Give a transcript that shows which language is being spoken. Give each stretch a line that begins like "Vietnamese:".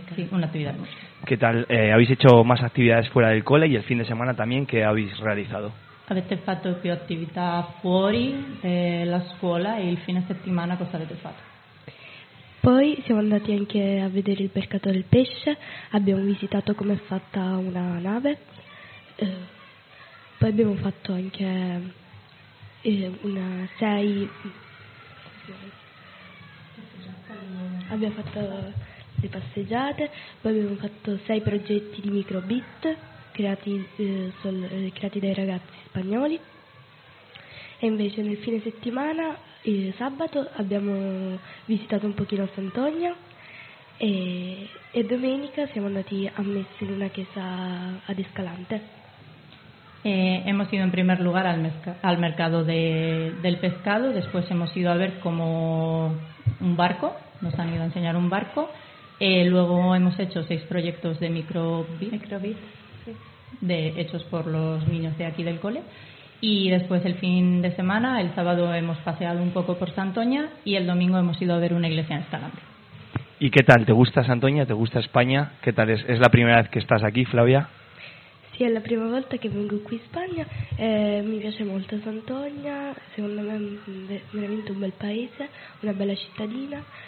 Spanish: una actividad de música. ¿Qué tal? ¿Habéis hecho más actividades fuera del cole y el fin de semana también? ¿Qué habéis realizado?
Italian: Avete fatto più attività fuori la scuola e il fine settimana cosa avete fatto? Poi siamo andati anche a vedere il mercato del pesce, abbiamo visitato com'è fatta una nave, poi abbiamo fatto anche abbiamo fatto le passeggiate, poi abbiamo fatto sei progetti di microbit creati dai ragazzi spagnoli e invece nel fine settimana, il sabato, abbiamo visitato un pochino Sant'Ogna e domenica siamo andati a messa in una chiesa ad Escalante.
Spanish: Hemos ido en primer lugar al mercado del pescado, después hemos ido a ver como un barco, nos han ido a enseñar un barco, luego hemos hecho seis proyectos de microbit. de hechos por los niños de aquí del cole. Y después el fin de semana, el sábado hemos paseado un poco por Santoña y el domingo hemos ido a ver una iglesia en Escalante. ¿Y qué tal? ¿Te gusta Santoña? ¿Te gusta España? ¿Qué tal es? ¿Es la primera vez que estás aquí, Flavia? Sí, es la primera vez que vengo aquí a España.
Italian: Me piace molto Santoña. Secondo me es veramente un bel paese, una bella cittadina.